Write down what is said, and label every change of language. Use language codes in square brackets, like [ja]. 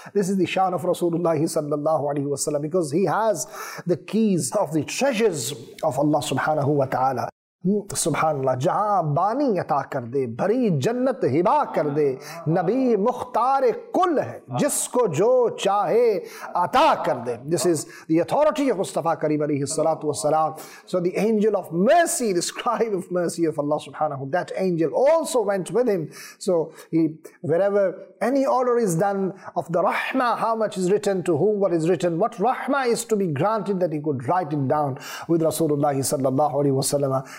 [en] This is the shan of Rasulullah [ar] sallallahu alayhi wa sallam [en] because he has the keys of the treasures of Allah [ar] subhanahu wa ta'ala. Subhanallah. [ur] جہاں بانی عطا کر دے بھری جنت ہبا کر دے نبی مختار کل ہے جس کو جو چاہے عطا کر دے. [en] This is the authority of Mustafa Kareem [ar] alayhi salatu wa salam. [en] So the angel of mercy, the scribe of mercy of Allah subhanahu, that angel also went with him. So he, wherever any order is done of the rahma, how much is written to whom, what is written, what rahma is to be granted, that he could write it down with Rasulullah [ar] sallallahu alayhi wa sallam.